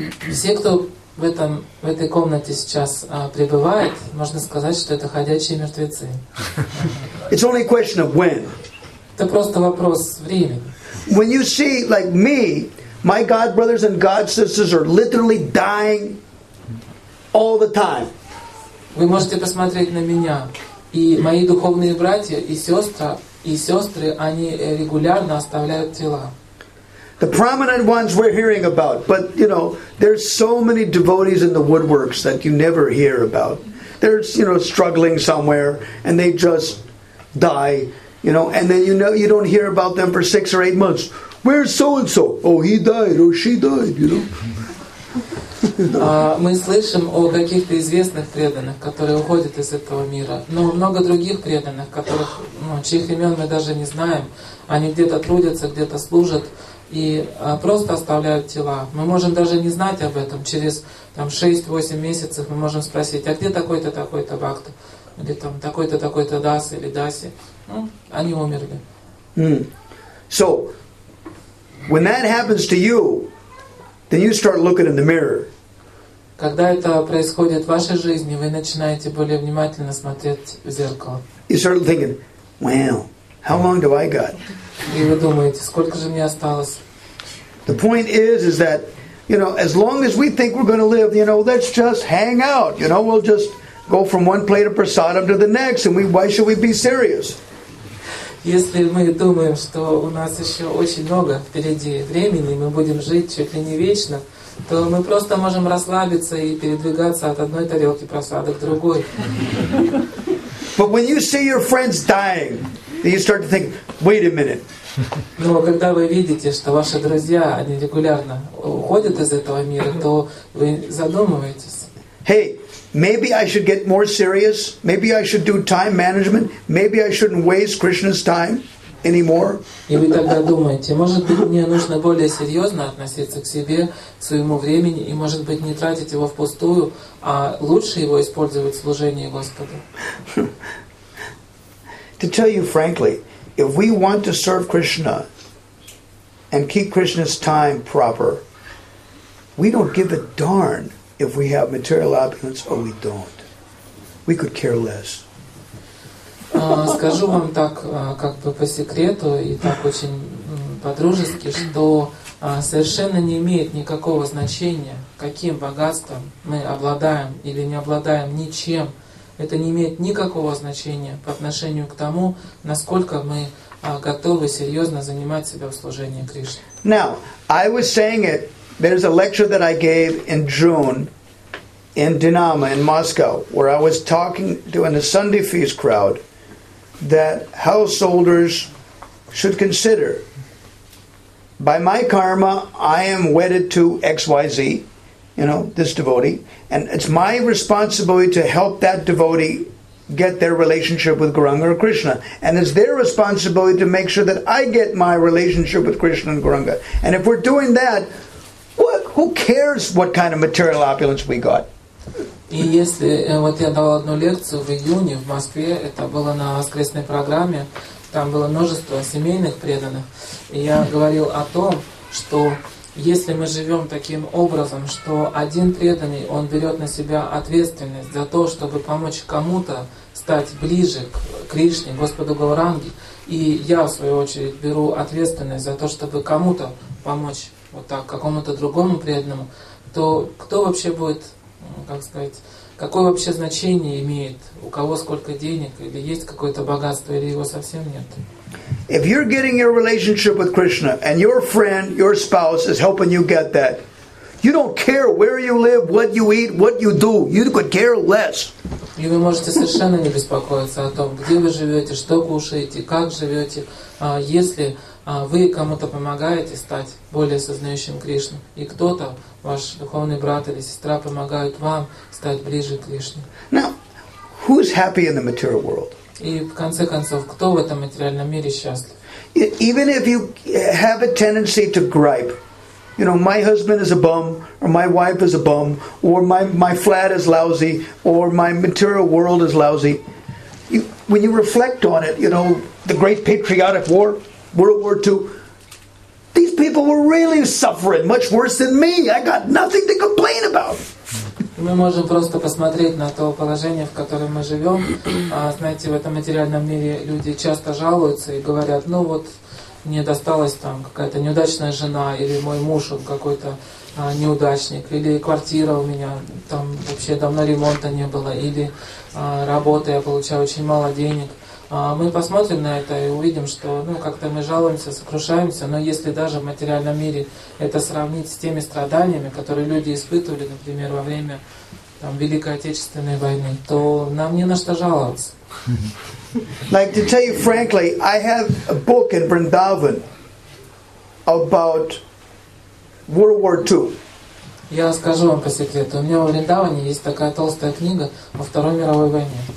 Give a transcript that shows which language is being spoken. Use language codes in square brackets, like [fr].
[ru] Все, кто в этой комнате сейчас пребывает, можно сказать, что это ходячие мертвецы. [en] It's only a question of when. [ru] Это просто вопрос времени. [en] When you see, like me, my God brothers and God sisters are literally dying all the time. [ru] Вы можете посмотреть на меня, и мои духовные братья и сестры, они регулярно оставляют тела. [en] The prominent ones we're hearing about, but you know, there's so many devotees in the woodworks that you never hear about. They're, you know, struggling somewhere, and they just die, you know, and then you know you don't hear about them for 6 or 8 months. Where's so and so? Oh, he died. Oh, she died. You know. [ru] Мы слышим о каких-то известных преданных, которые уходят из этого мира, но много других преданных, которых, ну, чьих имен мы даже не знаем, они где-то трудятся, где-то служат и просто оставляют тела. Мы можем даже не знать об этом. Через там 6-8 месяцев мы можем спросить, а где такой-то, такой-то бхакта? Или там такой-то, такой-то даси или даси? Ну, они умерли. Mm. [en] So, when that happens to you, then you start looking in the mirror. [ru] Когда это происходит в вашей жизни, вы начинаете более внимательно смотреть в зеркало. [en] You start thinking, well, how long do I got? [ru] И вы думаете, сколько же мне осталось? [en] The point is that, you know, as long as we think we're going to live, you know, let's just hang out. You know, we'll just go from one plate of prasadam to the next, and why should we be serious? [ru] Если мы думаем, что у нас еще очень много впереди времени, мы будем жить чуть ли не вечно, то мы просто можем расслабиться и передвигаться от одной тарелки просады к другой. [en] But when you see your friends dying, then you start to think, wait a minute. [ru] Но когда вы видите, что ваши друзья, они регулярно уходят из этого мира, то вы задумываетесь. [en] Hey, maybe I should get more serious. Maybe I should do time management. Maybe I shouldn't waste Krishna's time anymore. [ru] И вы тогда думаете, может быть, мне нужно более серьезно относиться к себе, к своему времени, и, может быть, не тратить его впустую, а лучше его использовать в служении Господу. [en] To tell you frankly, if we want to serve Krishna and keep Krishna's time proper, we don't give a darn if we have material opulence or we don't. We could care less. [ru] Скажу вам так, как бы по секрету и так очень по-дружески, что совершенно не имеет никакого значения, каким богатством мы обладаем или не обладаем ничем. Это не имеет никакого значения по отношению к тому, насколько мы готовы серьезно занимать себя в служении Кришне. [en] Now, I was saying it, there's a lecture that I gave in June in Dinamo, in Moscow, where I was talking to a Sunday feast crowd that householders should consider. By my karma, I am wedded to XYZ, you know, this devotee, and it's my responsibility to help that devotee get their relationship with Gauranga or Krishna. And it's their responsibility to make sure that I get my relationship with Krishna and Gauranga. And if we're doing that, what, who cares what kind of material opulence we got? [ru] И если вот я дал одну лекцию в июне в Москве, это было на воскресной программе, там было множество семейных преданных, и я говорил о том, что если мы живем таким образом, что один преданный, он берет на себя ответственность за то, чтобы помочь кому-то стать ближе к Кришне, Господу Гауранге, и я, в свою очередь, беру ответственность за то, чтобы кому-то помочь, вот так, какому-то другому преданному, то кто вообще будет, как сказать, какое вообще значение имеет, у кого сколько денег, или есть какое-то богатство, или его совсем нет? [en] If you're getting your relationship with Krishna and your friend, your spouse is helping you get that, you don't care where you live, what you eat, what you do. You could care less. [ru] И вы можете совершенно не беспокоиться о том, где вы живете, что кушаете, как живете, если вы кому-то помогаете стать более сознающим Кришну, и кто-то, ваш духовный брат или сестра, помогает вам стать ближе к Кришне. [en] Now, who's happy in the material world? [ru] И в конце концов, кто в этом материальном мире счастлив? [en] Even if you have a tendency to gripe, you know, my husband is a bum, or my wife is a bum, or my flat is lousy, or my material world is lousy. You, when you reflect on it, you know, the Great Patriotic War, World War II, these people were really suffering much worse than me. I got nothing to complain about. [ru] мы можем просто посмотреть на то положение, в котором мы живем. Знаете, в этом материальном мире люди часто жалуются и говорят, ну вот мне досталась там какая-то неудачная жена, или мой муж, он какой-то неудачник, или квартира у меня, там вообще давно ремонта не было, или работа, я получаю очень мало денег. Мы посмотрим на это и увидим, что ну, как-то мы жалуемся, сокрушаемся, но если даже в материальном мире это сравнить с теми страданиями, которые люди испытывали, например, во время там, Великой Отечественной войны, то нам не на что жаловаться. [en] Like to tell you frankly, I have a book in Vrindavan about World War II. [ru] Я скажу вам по секрету, у меня во Вриндаване есть такая толстая книга о Второй мировой войне.